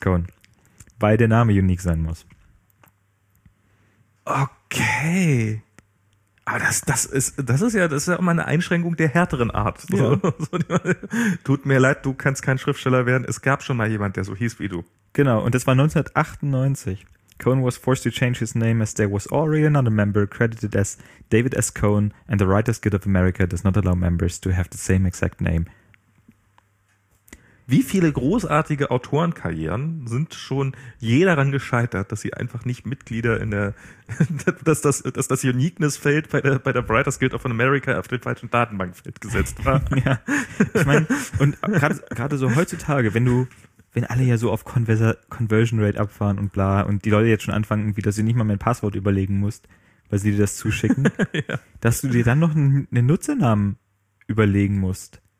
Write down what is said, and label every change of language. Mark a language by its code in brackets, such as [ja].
[de] Cohen, weil der Name unique sein muss. Okay. Aber das ist ja auch mal eine Einschränkung der härteren Art. So, ja. So, tut mir leid, du kannst kein Schriftsteller werden. Es gab schon mal jemand, der so hieß wie du. Genau, und das war 1998. [en] Cohen was forced to change his name as there was already another member credited as David S. Cohen and the Writers Guild of America does not allow members to have the same exact name. [de] Wie viele großartige Autorenkarrieren sind schon je daran gescheitert, dass sie einfach nicht Mitglieder in der, dass das Uniqueness-Feld bei der Writers Guild of America auf den falschen Datenbankfeld gesetzt war. Ja, ich meine, und gerade so heutzutage, wenn alle ja so auf Conversion Rate abfahren und bla, und die Leute jetzt schon anfangen, wie, dass du nicht mal mein Passwort überlegen musst, weil sie dir das zuschicken, dass du dir dann noch einen Nutzernamen überlegen musst.